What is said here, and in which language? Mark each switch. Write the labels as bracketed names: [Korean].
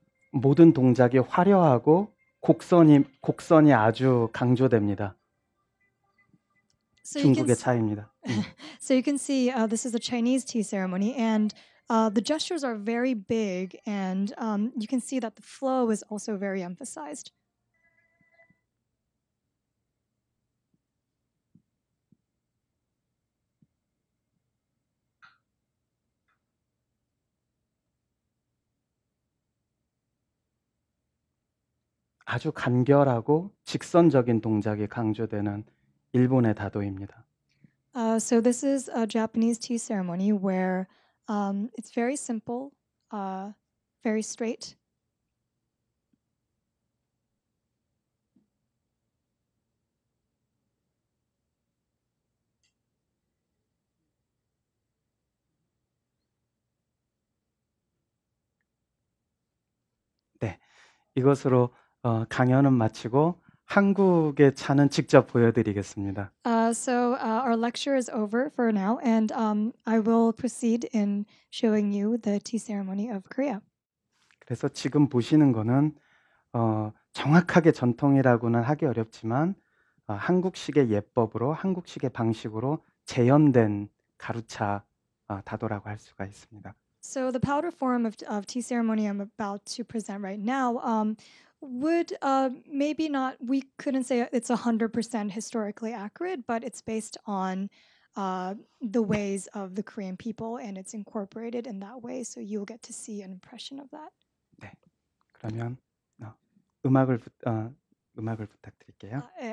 [Korean] 모든 동작이 화려하고 곡선이 아주 강조됩니다. [English] So [Korean] 중국의 차입니다. [English] So you can see this is a Chinese tea ceremony, and the gestures are very big, and you can see that the flow is also very emphasized. [Korean] 아주 간결하고 직선적인 동작이 강조되는 일본의 다도입니다. [English] So this is a Japanese tea ceremony where it's very simple, very straight. [Korean] 네, 이것으로 강연은 마치고 한국의 차는 직접 보여드리겠습니다. [English] So our lecture is over for now, and I will proceed in showing you the tea ceremony of Korea. [Korean] 그래서 지금 보시는 거는 정확하게 전통이라고는 하기 어렵지만 한국식의 예법으로 한국식의 방식으로 재현된 가루차 다도라고 할 수가 있습니다. [English] So the powder form of tea ceremony I'm about to present right now would maybe not, we couldn't say it's 100% historically accurate, but it's based on the ways of the Korean people and it's incorporated in that way. So you'll get to see an impression of that. [Korean] 네, 그러면 음악을 부탁드릴게요.